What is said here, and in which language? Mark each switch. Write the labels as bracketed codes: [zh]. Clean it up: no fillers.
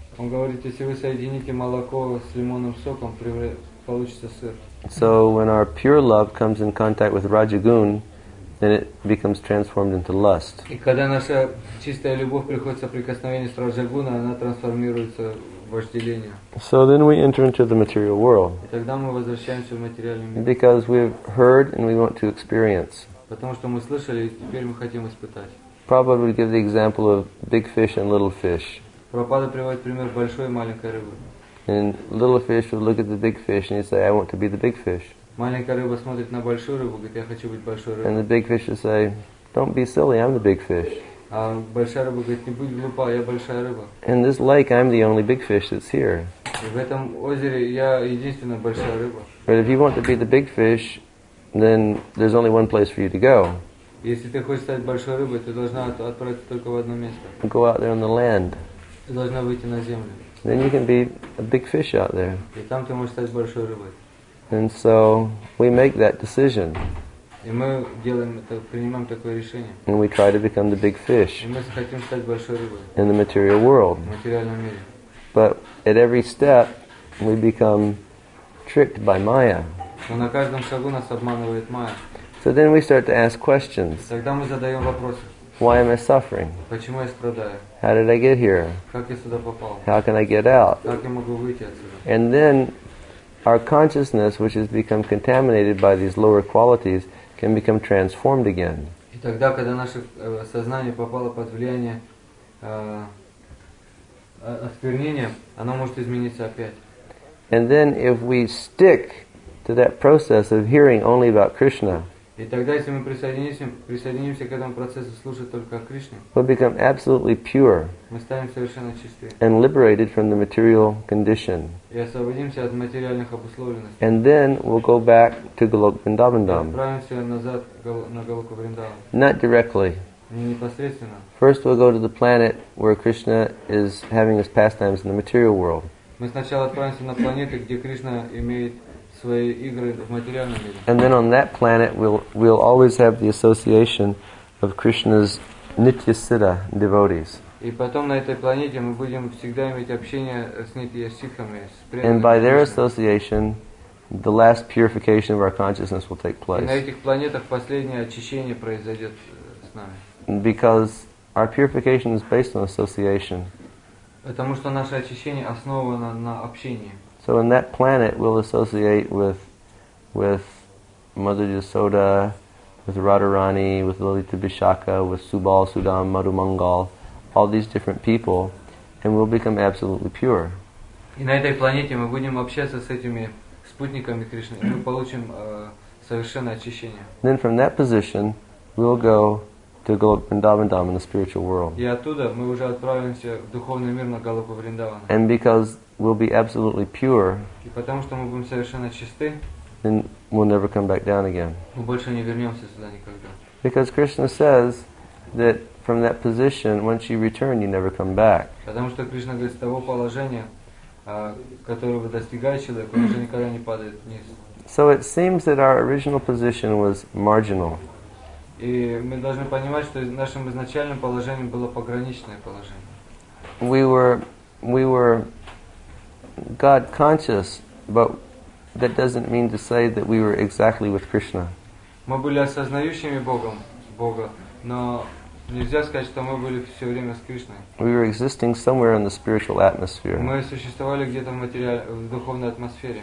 [ru] Он говорит, если вы соедините молоко с лимонным соком, получится сыр. [en] So when our pure love comes in contact with Rajagun, then it becomes transformed into lust. [ru] И когда наша чистая любовь приходит в соприкосновение с Раджагуна, она трансформируется в вожделение. [en] So then we enter into the material world. [ru] И тогда мы возвращаемся в материальный мир. [en] Because we've heard and we want to experience. [ru] Потому что мы слышали, и теперь мы хотим испытать. [en] Prabhupada would give the example of big fish and little fish. [ru] Прабхупада приводит пример большой и маленькой рыбы. [en] And little fish would look at the big fish and he'd say, I want to be the big fish. [ru] Маленькая рыба смотрит на большую рыбу, говорит, я хочу быть большой рыбой. [en] And the big fish would say, don't be silly, I'm the big fish. [ru] А большая рыба говорит, не будь глупа, я большая рыба. [en] In this lake, I'm the only big fish that's here. [ru] И в этом озере я единственная большая рыба. [en] But if you want to be the big fish, then there's only one place for you to go. [ru] Если ты хочешь стать большой рыбой, ты должна отправиться только в одно место. [en] Go out there on the land. [ru] Ты должна выйти на землю. [en] Then you can be a big fish out there. [ru] И там ты можешь стать большой рыбой. [en] And so we make that decision. [ru] И мы делаем это, принимаем такое решение. [en] And we try to become the big fish. [ru] И мы хотим стать большой рыбой. [en] In the material world. [ru] В материальном мире. [en] But at every step, we become tricked by Maya. [ru] Но на каждом шагу нас обманывает Майя. [en] So then we start to ask questions. [ru] И тогда мы задаем вопросы. [en] Why am I suffering? [ru] Почему я страдаю? [en] How did I get here? [ru] Как я сюда попал? [en] How can I get out? [ru] Как я могу выйти отсюда? [en] And then our consciousness, which has become contaminated by these lower qualities, can become transformed again. [ru] И тогда, когда наше сознание попало под влияние осквернения, оно может измениться опять. [en] And then if we stick to that process of hearing only about Krishna, [ru] и тогда, если мы присоединимся к этому процессу слушать только о Кришне, [en] we become absolutely pure, [ru] мы станем совершенно чисты, [en] and liberated from the material condition, [ru] и освободимся от материальных обусловленностей, [en] and then we'll go back to Golok Vrindavan Dham, [ru] отправимся назад на Голоку Вриндаван, [en] not directly, [ru] не непосредственно, [en] first we'll go to the planet where Krishna is having his pastimes in the material world, [ru] мы сначала отправимся на планету, где Кришна имеет свои игры в материальном мире. [en] And then on that planet we'll always have the association of Krishna's Nitya Siddha devotees. [ru] И потом на этой планете мы будем всегда иметь общение с Нитья Сиддхами. [en] And by their association, the last purification of our consciousness will take place. [ru] И на этих планетах последнее очищение произойдет с нами. [en] Because our purification is based on association. [ru] Потому что наше очищение основано на общении. [en] So in that planet, we'll associate with Mother Yasoda, with Radharani, with Lalita Bishaka, with Subal, Sudam, Madhu Mangal, all these different people, and we'll become absolutely pure. [ru] И на этой планете мы будем общаться с этими спутниками Кришны, и мы получим совершенное очищение. [en] Then from that position, we'll go to Golok Vrindavan Dham in the spiritual world. [ru] И оттуда мы уже отправимся в духовный мир на Голоку Вриндаван. [en] And because we'll be absolutely pure, [ru] и потому что мы будем совершенно чисты, [en] then we'll never come back down again. [ru] Мы больше не вернемся сюда никогда. [en] Because Krishna says that from that position, once you return, you never come back. [ru] Потому что Кришна говорит, с того положения, которого достигает человек, он уже никогда не падает вниз. [en] So it seems that our original position was marginal. [ru] И мы должны понимать, что нашим изначальным положением было пограничное положение. [en] We were God conscious, but that doesn't mean to say that we were exactly with Krishna. [ru] Мы были осознающими Богом, Бога, но нельзя сказать, что мы были все время с Кришной. [en] We were existing somewhere in the spiritual atmosphere. [ru] Мы существовали где-то в духовной атмосфере.